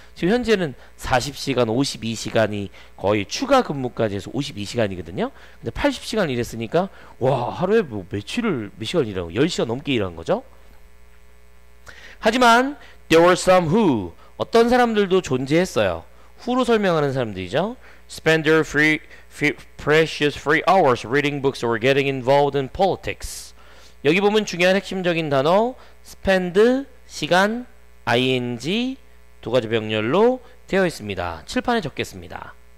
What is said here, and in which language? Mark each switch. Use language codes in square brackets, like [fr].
[ko] 지금 현재는 40시간, 52시간이 거의 추가 근무까지 해서 52시간이거든요. 근데 80시간 일했으니까 와, 하루에 뭐 며칠을 몇 시간 일하고 10시간 넘게 일한 거죠. 하지만 [en] there were some who, [ko] 어떤 사람들도 존재했어요. who로 설명하는 사람들이죠. [en] spend their precious free hours reading books or getting involved in politics. [ko] 여기 보면 중요한 핵심적인 단어 spend 시간 ing 두 가지 병렬로 되어 있습니다. 칠판에 적겠습니다.